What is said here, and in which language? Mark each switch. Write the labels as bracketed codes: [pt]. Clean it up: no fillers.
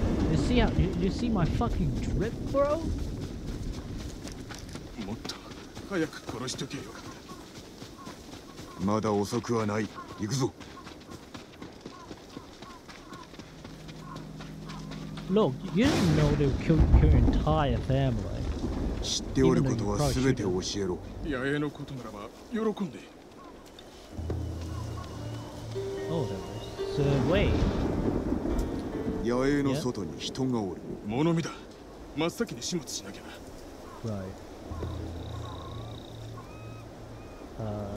[en] You see how you see my fucking drip, bro? [ja] もっと早く殺しとけよ。まだ遅くはない。行くぞ。 [en] Look, you didn't know they would kill your entire family. [ja] 知っておることはすべて教えろ。野営のことならば喜んで。 [en] Oh, there is. So wait. [ja] 野営の外に人がおる。物見だ。真っ先に始末しなきゃな。